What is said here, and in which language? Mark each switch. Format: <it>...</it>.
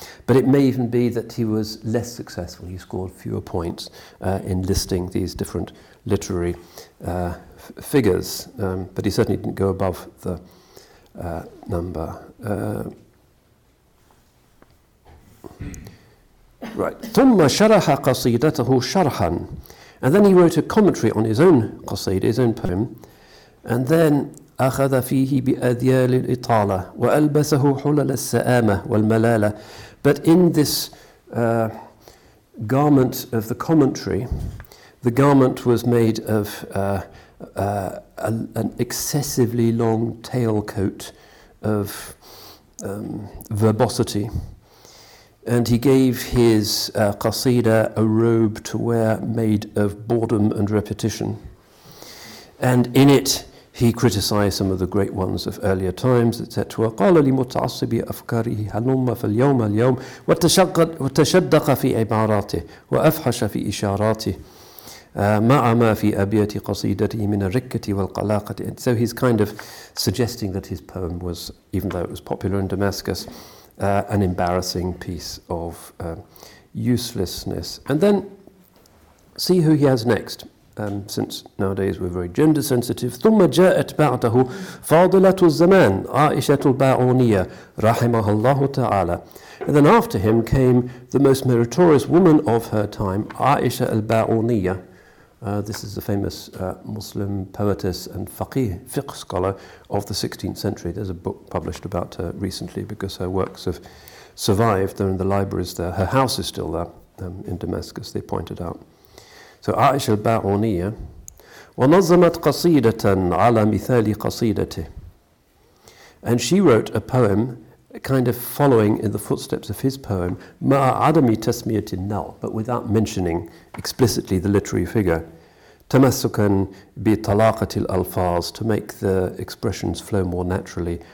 <en>But it may even be that he was less successful. He scored fewer points in listing these different literary figures. But he certainly didn't go above the number. Right.</en> <ar>ثم شرح قصيدته شرحا.</ar> <en>And then he wrote a commentary on his own qasida, his own poem. And then</en> <ar>أخذ فيه بأذيال الإطالة وألبسه حلل السآمة والملالة.</ar> <en>But in this garment of the commentary, the garment was made of an excessively long tail coat of verbosity. And he gave his qasida a robe to wear made of boredom and repetition. And in it, he criticized some of the great ones of earlier times, etc.</en> <ar>قَالَ لِمُتَعَصِّبِ أَفْكَارِهِ هَلُمَّ فَالْيَوْمَ الْيَوْمَ وَتَشَدَّقَ فِي عِبَارَاتِهِ وَأَفْحَشَ فِي إِشَارَاتِهِ مَعَ مَا فِي أَبْيَاتِ قَصِيدَتِهِ مِنَ الرِّكَّةِ وَالْقَلَاقَةِ.</ar> <en>And so he's kind of suggesting that his poem was, even though it was popular in Damascus, an embarrassing piece of uselessness. And then see who he has next, since nowadays we're very gender sensitive.</en> <ar>ثم جاءت بعده فاضلة الزمان عائشة الباعونية رحمها الله تعالى.</ar> <en>And then after him came the most meritorious woman of her time, عائشة الباعونية, This is a famous Muslim poetess and fiqh scholar of the 16th century. There's a book published about her recently because her works have survived. They're in the libraries there. Her house is still there in Damascus, they pointed out.</en> <ar>So Aisha al-Ba'uniyya, وَنَظَّمَتْ قَصِيدَةً عَلَى مِثَالِ قَصِيدَةِ.</ar> <en>And she wrote a poem kind of following in the footsteps of his poem,</en> <ar>مَا عَدَمِ تَسْمِيَةٍ نَوْ,</ar> <en>but without mentioning explicitly the literary figure.</en> <ar>تَمَسُكًا بِطَلَاقَةِ الْأَلْفَاظِ,</ar> <en>to make the expressions flow more naturally.</en>